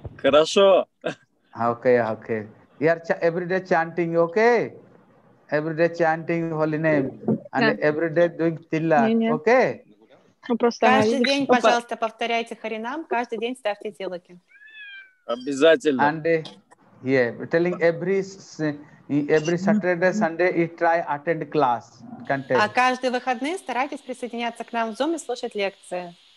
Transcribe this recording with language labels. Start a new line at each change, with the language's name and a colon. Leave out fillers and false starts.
Russian: Хорошо.
English: Окей, окей. You are everyday chanting, okay? Everyday chanting holy name. And everyday doing тилла, okay?
Russian: Каждый день, пожалуйста, повторяйте харинам. Каждый день ставьте тилаки. Обязательно.
English: And yeah, telling every Saturday, Sunday, you try attend class content.
Russian: А каждый выходный старайтесь присоединяться к нам в Zoom и слушать лекции.